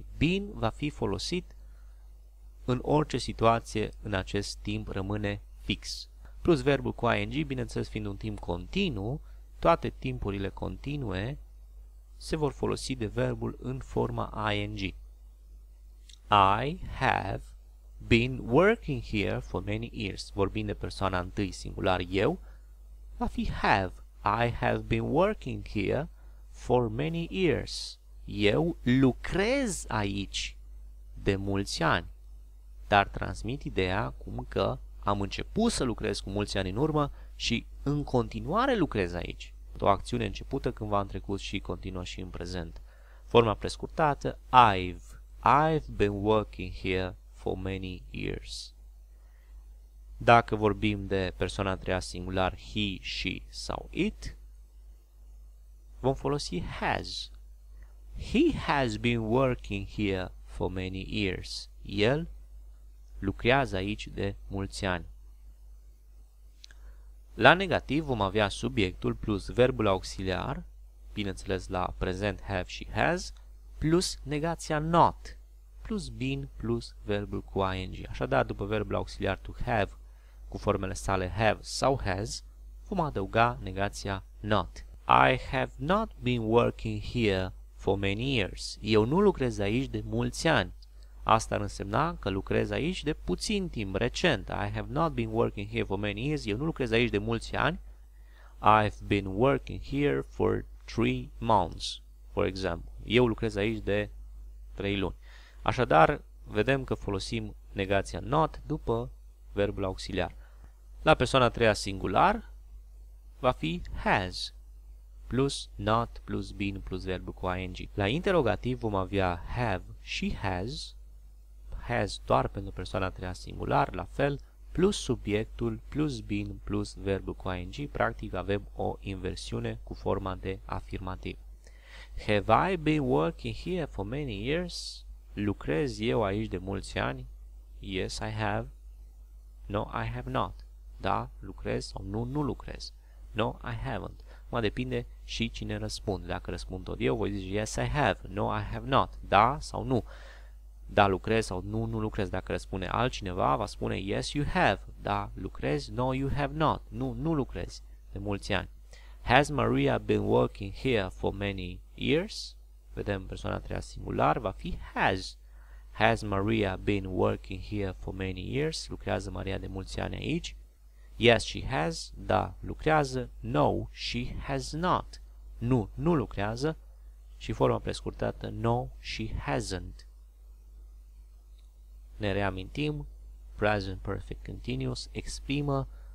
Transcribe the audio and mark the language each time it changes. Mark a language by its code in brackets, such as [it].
[ro] Been va fi folosit în orice situație în acest timp, rămâne fix. Plus verbul cu ing, bineînțeles fiind un timp continuu, toate timpurile continue se vor folosi de verbul în forma ing. [en] I have been working here for many years. [ro] Vorbind de persoana întâi singular, eu, va fi have. [en] I have been working here for many years. [ro] Eu lucrez aici de mulți ani. Dar transmit ideea cum că am început să lucrez cu mulți ani în urmă și în continuare lucrez aici. O acțiune începută cândva în trecut și continuă și în prezent. Forma prescurtată, [en] I've been working here for many years. [ro] Dacă vorbim de persoana a treia singular, he, she sau it, vom folosi has. [en] He has been working here for many years. [ro] El lucrează aici de mulți ani. La negativ vom avea subiectul plus verbul auxiliar, bineînțeles la prezent have și has, plus negația not, plus been, plus verbul cu ing. Așadar, după verbul auxiliar to have, cu formele sale have sau has, vom adăuga negația not. [en] I have not been working here for many years. [ro] Eu nu lucrez aici de mulți ani. Asta ar însemna că lucrez aici de puțin timp, recent. [en] I have not been working here for many years. [ro] Eu nu lucrez aici de mulți ani. [en] I've been working here for 3 months, for example. [ro] Eu lucrez aici de 3 luni. Așadar, vedem că folosim negația not după verbul auxiliar. La persoana a treia singular va fi has plus not plus been plus verbul cu ing. La interrogativ vom avea have și has. Has doar pentru persoana a treia singular, la fel, plus subiectul, plus been, plus verbul cu ing, practic avem o inversiune cu forma de afirmativ. [en] Have I been working here for many years? [ro] Lucrez eu aici de mulți ani? [en] Yes, I have. No, I have not. [ro] Da, lucrez sau nu, nu lucrez. [en] No, I haven't. [ro] Mă depinde și cine răspunde. Dacă răspund tot eu, voi zice [en] yes, I have. No, I have not. [ro] Da sau nu? Da, lucrez sau nu, nu lucrez. Dacă răspune altcineva, va spune [en] yes, you have. [ro] Da, lucrez. [en] No, you have not. [ro] Nu, nu lucrez de mulți ani. [en] Has Maria been working here for many years? [ro] Vedem persoana a treia singular, va fi has. [en] Has Maria been working here for many years? [ro] Lucrează Maria de mulți ani aici? [en] Yes, she has. [ro] Da, lucrează. [en] No, she has not. [ro] Nu, nu lucrează. Și forma prescurtată, [en] no, she hasn't. [ro] Ne reamintim, present perfect continuous exprimă